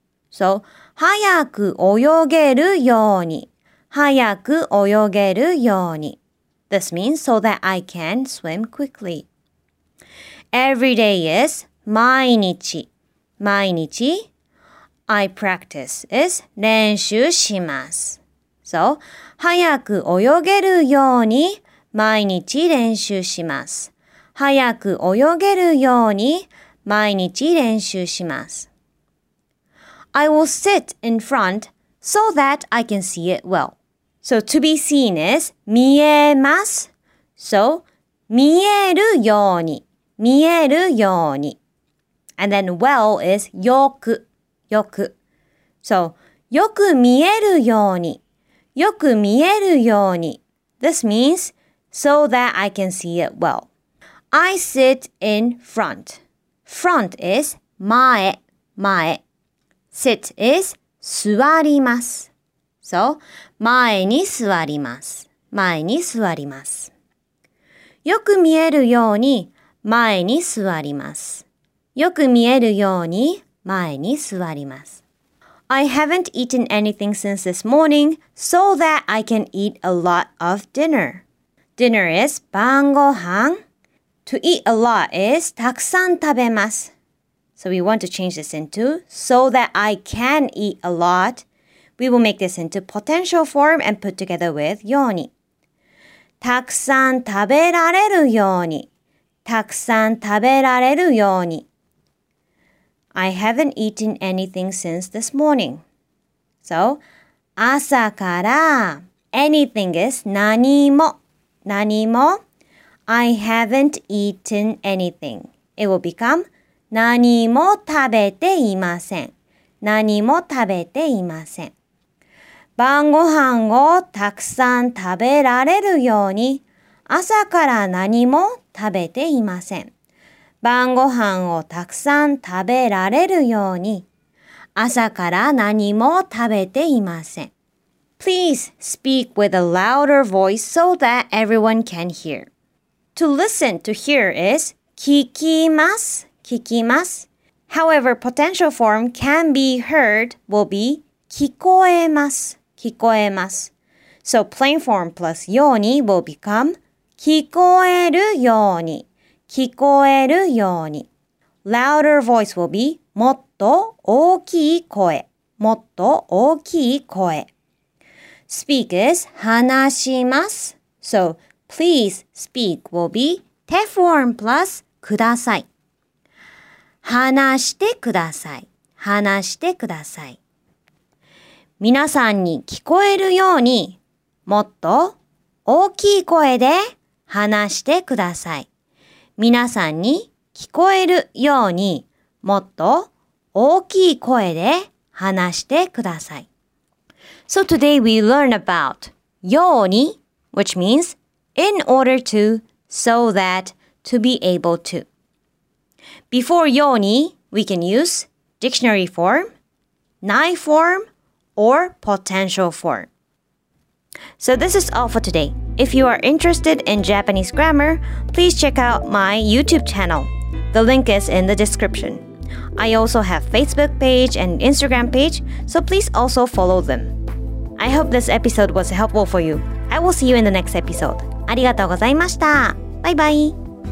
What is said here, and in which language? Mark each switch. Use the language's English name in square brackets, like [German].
[Japanese] So, 早く泳げるように。早く泳げるように。 [English] This means so that I can swim quickly. Every day is [Japanese] 毎日。 [English] 毎日。I practice is [Japanese] 練習します。 So, 早く泳げるように毎日練習します。早く泳げるように毎日練習します。 [English] I will sit in front so that I can see it well. So to be seen is [Japanese] 見えます。 [English] So [Japanese] 見えるように。見えるように。 [English] And then well is よく。 [Japanese] よく。 So よく見えるように。よく見えるように。 [English] This means so that I can see it well. I sit in front. Front is 前、前。Sit is [Japanese] 座ります。 So, 前に座ります。前に座ります。よく見えるように前に座ります。よく見えるように前に座ります。 [English] I haven't eaten anything since this morning so that I can eat a lot of dinner. Dinner is [Japanese] 晩ご飯。 [English] To eat a lot is [Japanese] たくさん食べます。 [English] So we want to change this into so that I can eat a lot. We will make this into potential form and put together with ように。 [Japanese] たくさん食べられるように。たくさん食べられるように。 [English] I haven't eaten anything since this morning. So [Japanese] 朝から [English] anything is [Japanese] 何も。 [English] 何も。I haven't eaten anything. It will become [Japanese] 何も食べていません。何も食べていません。晩ご飯をたくさん食べられるように朝から何も食べていません。晩ご飯をたくさん食べられるように、朝から何も食べていません。 [English] Please speak with a louder voice so that everyone can hear. To listen to hear is [Japanese] 聞きます、聞きます。 [English] However, potential form can be heard will be [Japanese] 聞こえます、聞こえます。 [English] So plain form plus ように will become [Japanese] 聞こえるように、聞こえるように。 [English] Louder voice will be [Japanese] もっと大きい声、もっと大きい声。 [English] Speak is [Japanese] 話します。 [English] So please speak will be [Japanese] te form plus ください。話してください。話してください。皆さんに聞こえるようにもっと大きい声で話してください。皆さんに聞こえるようにもっと大きい声で話してください。 [English] So today we learn about ように, which means in order to, so that, to be able to. Before ように, we can use dictionary form, nai form, or potential form. So this is all for today. If you are interested in Japanese grammar, please check out my YouTube channel. The link is in the description. I also have Facebook page and Instagram page, so please also follow them. I hope this episode was helpful for you. I will see you in the next episode. [Japanese] ありがとうございました。バイバイ。